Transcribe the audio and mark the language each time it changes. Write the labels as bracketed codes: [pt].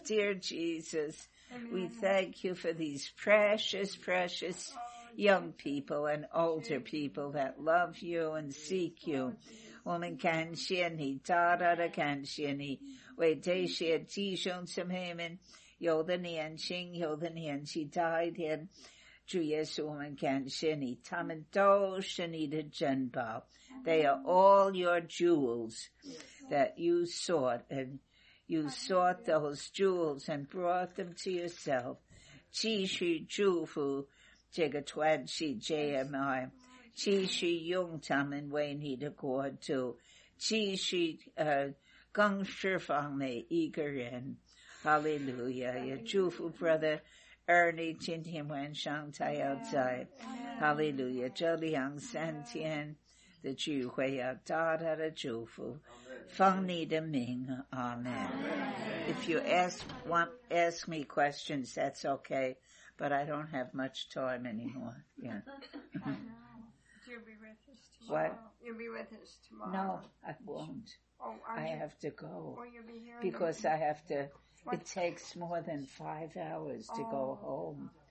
[en] Dear Jesus, we thank you for these precious, precious young people and older people that love you and seek you. [zh] 我们感谢你，大大的感谢你，为这些弟兄姊妹们。有的年轻有的年纪大一点主耶稣我们感谢你他们都是你的珍宝、Amen. [en] They are all your jewels that you sought and you sought those jewels and brought them to yourself [zh] 继续祝福这个团契 JMI 继续用他们为你的国度继续更释放每一个人 [en] Hallelujah. [zh] Yeah, 祝福 Brother Ernie 今天晚上他要在 Hallelujah. 这两三天的聚会要大大的祝福奉你的名 Amen. [en] If you ask me questions that's okay but I don't have much time anymore. Yeah. Do you be with us tomorrow? What? You'll be with us tomorrow. No, I won't. Oh, I have to go. Will you be here? Because I have to It takes more than 5 hours to go home.